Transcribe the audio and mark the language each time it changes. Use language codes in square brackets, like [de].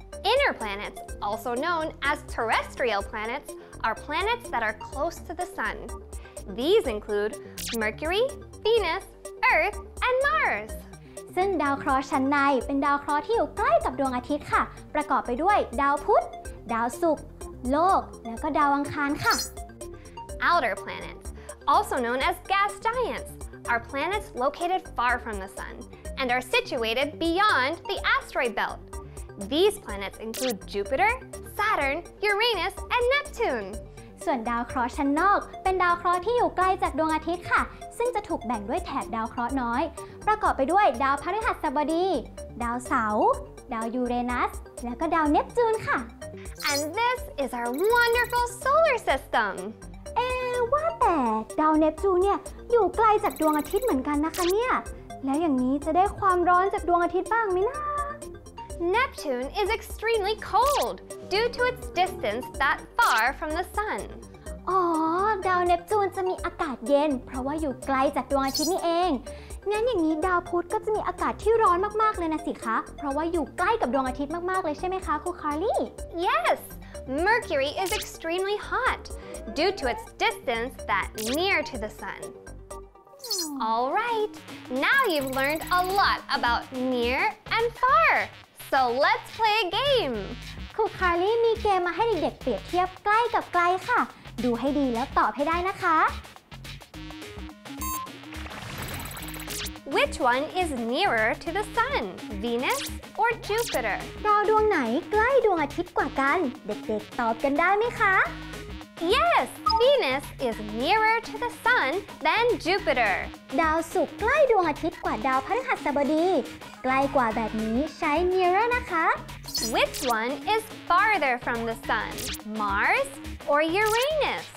[en] Inner planets, also known as terrestrial planets, are planets that are close to the sun. These include Mercury, Venus, Earth, and Mars. [th] ซึ่งดาวเคราะห์ชั้นในเป็นดาวเคราะห์ที่อยู่ใกล้กับดวงอาทิตย์ค่ะประกอบไปด้วยดาวพุธดาวศุกร์โลกแล้วก็ดาวอังคารค่ะ [en] Outer planets, also known as gas giants, are planets located far from the sun and are situated beyond the asteroid belt. These planets include Jupiter, Saturn, Uranus, and Neptune. [th] ส่วนดาวเคราะห์ชั้นนอกเป็นดาวเคราะห์ที่อยู่ใกล้จากดวงอาทิตย์ค่ะซึ่งจะถูกแบ่งด้วยแถบดาวเคราะห์น้อยประกอบไปด้วยดาวพฤหัสบดีดาวเสาร์ดาวยูเรนัสแล้วก็ดาวเนปจูนค่ะ [en] And this is our wonderful solar system [th] เอ๊ว่าแต่ดาวเนปจูนเนี่ยอยู่ไกลจากดวงอาทิตย์เหมือนกันนะคะเนี่ยแล้วอย่างนี้จะได้ความร้อนจากดวงอาทิตย์บ้างมั้ยล่ะ [en] Neptune is extremely cold due to its distance that far from the sun. [th] Oh, ดาวเนปจูนจะมีอากาศเย็นเพราะว่าอยู่ไกลจากดวงอาทิตย์นี่เองงั้นอย่างนี้ดาวพุธก็จะมีอากาศที่ร้อนมากๆเลยนะสิคะเพราะว่าอยู่ใกล้กับดวงอาทิตย์มากๆเลยใช่ไหมคะครูคาร์ลี่ [en] Yes, Mercury is extremely hot due to its distance that near to the sun. All right, now you've learned a lot about near and far. So let's play a game. [th] ครูคาร์ลี่มีเกมมาให้เด็กๆเปรียบเทียบใกล้กับไกลค่ะดูให้ดีแล้วตอบให้ได้นะคะ [en] Which one is nearer to the sun, Venus or Jupiter? [th] ดาวดวงไหนใกล้ดวงอาทิตย์กว่ากันเด็กๆตอบกันได้ไหมคะ [en] Yes, Venus is nearer to the sun than Jupiter. [th] ดาวศุกร์ใกล้ดวงอาทิตย์กว่าดาวพฤหัสบดีใกล้กว่าแบบนี้ใช้ nearer นะคะ [en] Which one is farther from the sun, Mars or Uranus?